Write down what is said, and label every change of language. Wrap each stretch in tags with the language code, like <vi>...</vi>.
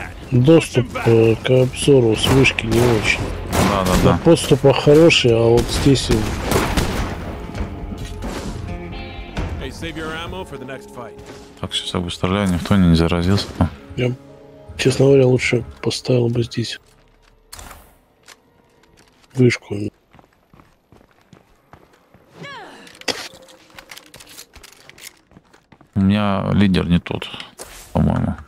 <ru>Доступ к обзору с вышки не очень. Да, да, да. Подступ хороший, а вот здесь.</ru> <en>Hey, save your ammo for the next fight.</en> <ru>Так, сейчас обустреляю, никто не заразился там. Я, честно говоря, лучше поставил бы здесь вышку. У меня лидер не тот. По-моему.</ru>